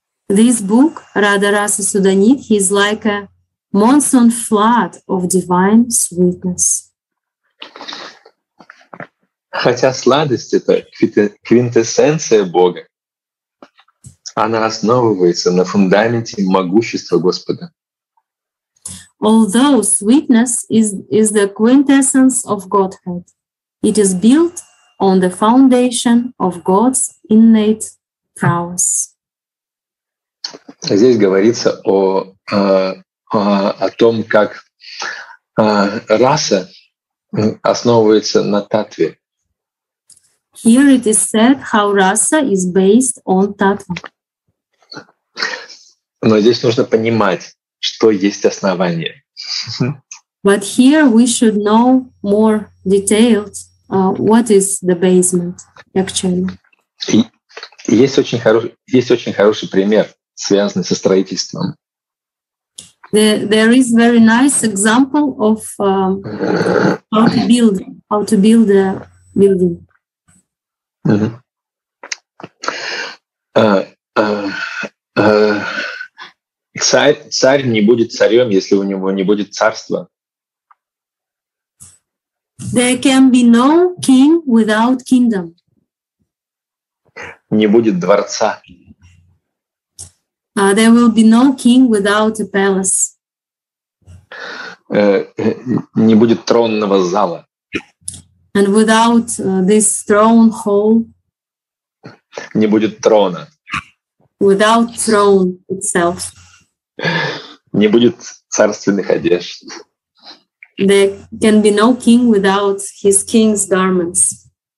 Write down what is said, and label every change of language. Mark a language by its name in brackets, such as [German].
[English] This book Rada Rasa Sudanidhi is like a monsoon flood of divine sweetness. [Russian] Хотя сладость это квинтэссенция Бога, она основывается на фундаменте могущества Господа. [English] Although sweetness is the quintessence of Godhead, it is built on the foundation of God's innate prowess. [Russian] Здесь говорится о том, как раса основывается на татве. [English] Here it is said how rasa is based on tattva. [Russian] Но здесь нужно понимать, что есть основание. [English] But here we should know more detailed what is the basement actually. [Russian] Есть очень хороший пример, связанный со строительством. [English] There is very nice example of how to build a building. [Russian] Царь не будет царем, если у него не будет царства. [English] There can be no king without kingdom. [Russian] Не будет дворца. [English] There will be no king without a palace. [Russian] Не будет тронного зала. [English] And without this throne hall. [Russian] не будет трона. [English] Without throne itself. [Russian] Не будет царственных одежд. [English] There can be no king without his king's garments.